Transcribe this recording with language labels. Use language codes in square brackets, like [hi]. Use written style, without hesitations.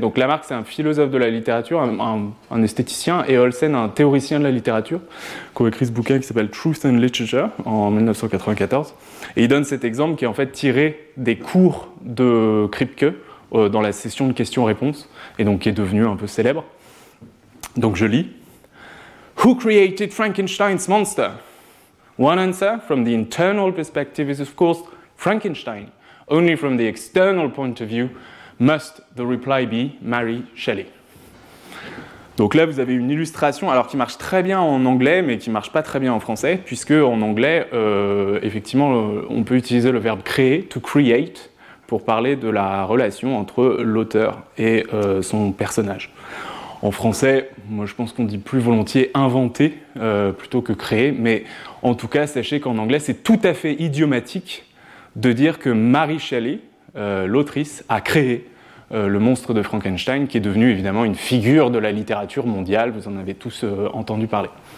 [fr] Donc Lamarck, c'est un philosophe de la littérature, un esthéticien, et Olsen, un théoricien de la littérature, qui a écrit ce bouquin qui s'appelle Truth and Literature en 1994. Et il donne cet exemple qui est en fait tiré des cours de Kripke dans la session de questions-réponses, et donc qui est devenu un peu célèbre. Donc je lis. [en] Who created Frankenstein's monster? One answer from the internal perspective is of course Frankenstein. Only from the external point of view must the reply be Mary Shelley. [fr] Donc là, vous avez une illustration, alors qui marche très bien en anglais, mais qui marche pas très bien en français, puisque en anglais, effectivement, on peut utiliser le verbe créer, to create, pour parler de la relation entre l'auteur et son personnage. En français, moi je pense qu'on dit plus volontiers inventer plutôt que créer, mais en tout cas, sachez qu'en anglais, c'est tout à fait idiomatique de dire que Mary Shelley, l'autrice, a créé le monstre de Frankenstein, qui est devenu évidemment une figure de la littérature mondiale, vous en avez tous entendu parler.